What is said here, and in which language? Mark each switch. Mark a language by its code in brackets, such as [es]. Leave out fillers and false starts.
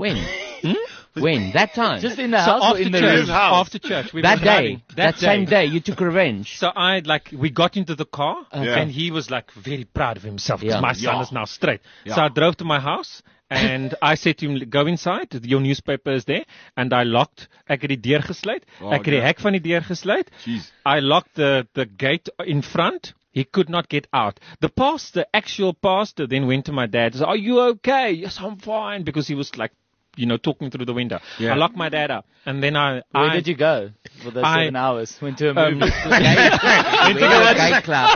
[en] When? When? That time? Just in the house or in the church, room? After church. We that day. That same day. You took revenge. So I, like, we got into the car. And he was, like, very proud of himself. Because my son is now straight. Yeah. So I drove to my house. And I said to him, go inside, your newspaper is there. And I locked, [af] ek het die deur gesluit, ek het die hek van die deur gesluit. [en] I locked the gate in front. He could not get out. The pastor, actual pastor, then went to my dad and said, are you okay? Yes, I'm fine. Because he was like, you know, talking through the window. Yeah. I locked my dad up. And then Where did you go for those 7 hours? Went to a movie. Went to a gay club.